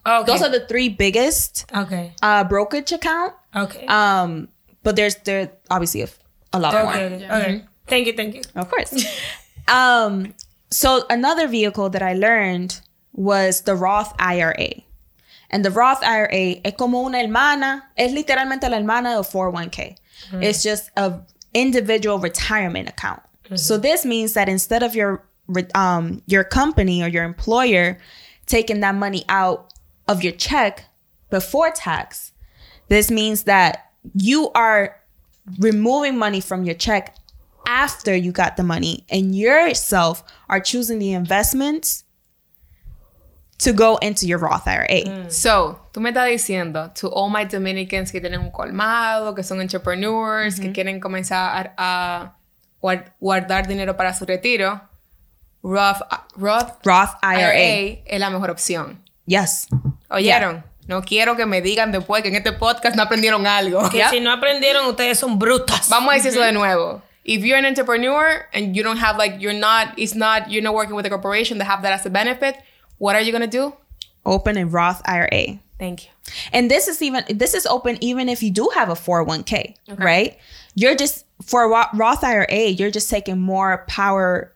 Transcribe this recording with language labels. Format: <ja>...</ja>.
<en>Okay. Those are the three biggest brokerage account. Okay. But there's obviously a lot okay. more. Okay. Mm-hmm. Thank you. Of course. So another vehicle that I learned was the Roth IRA. And the Roth IRA</en> <es>es como una hermana, es literalmente la hermana</es> <en>of 401k. Mm-hmm. It's just a individual retirement account. Mm-hmm. So this means that instead of your company or your employer taking that money out of your check before tax, this means that you are removing money from your check after you got the money and yourself are choosing the investments to go into your Roth IRA. Mm.</en> <es>So, tú me estás diciendo,</es> <en>to all my Dominicans</en> <es>que tienen un colmado, que son entrepreneurs, mm-hmm. que quieren comenzar a guardar dinero para su retiro, Roth IRA es la mejor opción.</es> <en>Yes.</en> <es>¿Oyeron? Yeah. No quiero que me digan después que en este podcast no aprendieron algo. Que si no aprendieron, ustedes son brutas. Vamos a decir eso de nuevo.</es> <en>If you're an entrepreneur and you don't have like, you're not working with a corporation that have that as a benefit, what are you going to do? Open a Roth IRA. Thank you. And this is open even if you do have a 401k, okay. right? You're just, for Roth IRA, you're just taking more power.</en>